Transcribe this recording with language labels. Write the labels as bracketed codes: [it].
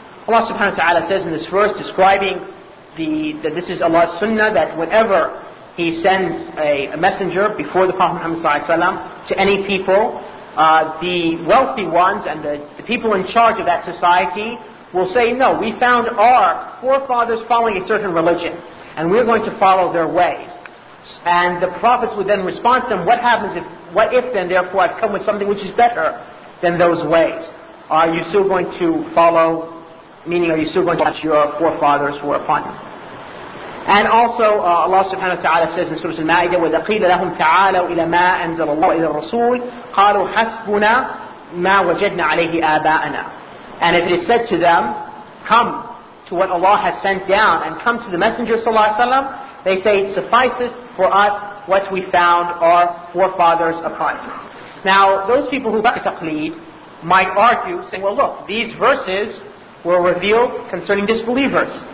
[en] Allah subhanahu wa ta'ala says in this verse, describing that this is Allah's sunnah, that whenever He sends a messenger before the Prophet Muhammad sallallahu alayhi wa sallam to any people, the wealthy ones and the people in charge of that society will say, no, we found our forefathers following a certain religion, and we're going to follow their ways. And the prophets would then respond to them, what if then, therefore, I've come with something which is better than those ways? Are you still going to follow, meaning are you still going to watch your forefathers who are upon them? And also, Allah subhanahu wa ta'ala says in Surah Al-Ma'idah, [ar] وَإِذَا قِيلَ لَهُمْ تَعَالَوْا إِلَى مَا أَنزَلَ اللَّهُ إِلَى الرَّسُولِ قَالُوا حَسْبُنَا مَا وَجَدْنَا عَلَيْهِ آبَاءَنَا. [en] And if it is said to them, come to what Allah has sent down and come to the Messenger sallallahu alayhi wa sallam, they say, it suffices for us what we found our forefathers upon. Now, those people who practice taqleed might argue, saying, well, look, these verses were revealed concerning disbelievers.